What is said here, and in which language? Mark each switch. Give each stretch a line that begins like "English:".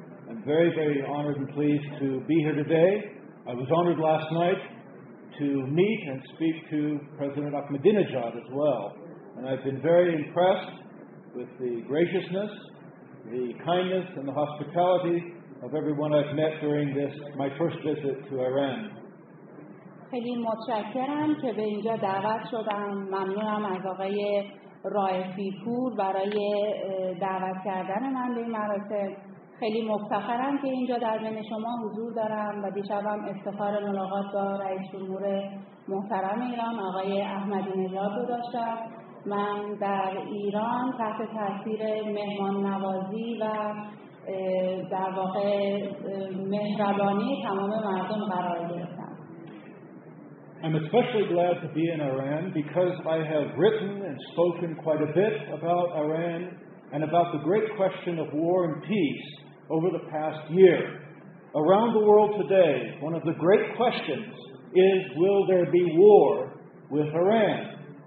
English: I'm very, very honored and pleased to be here today. I was honored last night to meet and speak to President Ahmadinejad as well. And I've been very impressed with the graciousness, the kindness, and the hospitality of everyone I've met during this, my first visit to Iran.
Persian: خیلی متشکرم که به اینجا دعوت شدم. ممنونم از آقای رائفی‌پور برای دعوت کردن من به این مراسم. خیلی مفتخرم که اینجا در بین شما حضور دارم و دیشبم افتخار ملاقات با رئیس جمهور محترم ایران آقای احمدی نژاد رو داشتم. من در ایران تحت تاثیر مهمان نوازی و در واقع مهربانی تمام مردم قرار گرفتم.
English: I'm especially glad to be in Iran because I have written and spoken quite a bit about Iran and about the great question of war and peace over the past year. Around the world today, one of the great questions is, will there be war with Iran?